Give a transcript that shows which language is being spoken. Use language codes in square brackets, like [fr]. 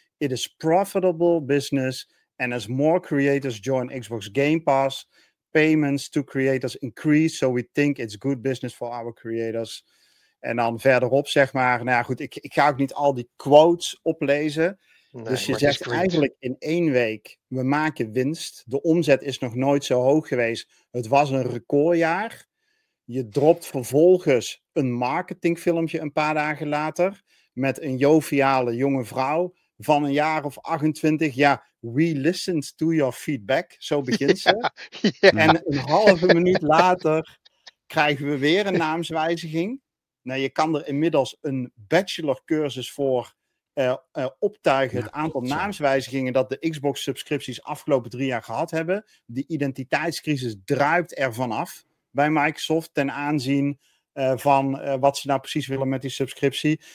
[en] It is profitable business, and as more creators join Xbox Game Pass, payments to creators increase, so we think it's good business for our creators. [nl] En dan verderop, zeg maar, nou ja, goed, ik ga ook niet al die quotes oplezen. Nee, dus je zegt eigenlijk in één week, we maken winst. De omzet is nog nooit zo hoog geweest. Het was een recordjaar. Je dropt vervolgens een marketingfilmpje een paar dagen later met een joviale jonge vrouw van een jaar of 28. [en] Ja, we listened to your feedback. [nl] Zo begint ze. Ja, ja. En een halve minuut later krijgen we weer een naamswijziging. Nou, je kan er inmiddels een bachelorcursus voor optuigen. Ja, het aantal naamswijzigingen dat de Xbox-subscripties afgelopen 3 jaar gehad hebben. Die identiteitscrisis druipt er vanaf bij Microsoft ten aanzien van wat ze nou precies willen met die subscriptie.